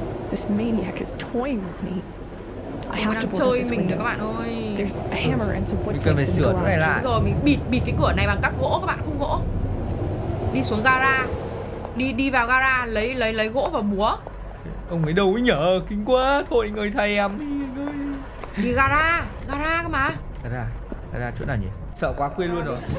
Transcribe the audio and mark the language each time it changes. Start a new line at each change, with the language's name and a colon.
English: This maniac is toying with me.
Vietnamese: Mình đang chơi mình nữa các bạn ơi.
English: There's a hammer and some wood.
Vietnamese: Mình bịt cái cửa này bằng các gỗ các bạn, khung gỗ. Đi xuống gara. Đi vào gara lấy gỗ và búa. Ông ấy đâu ấy nhở, kinh quá. Thôi anh ơi, thầy em ơi. Đi gara cơ mà. Gara chỗ nào nhỉ? Sợ quá quên luôn rồi.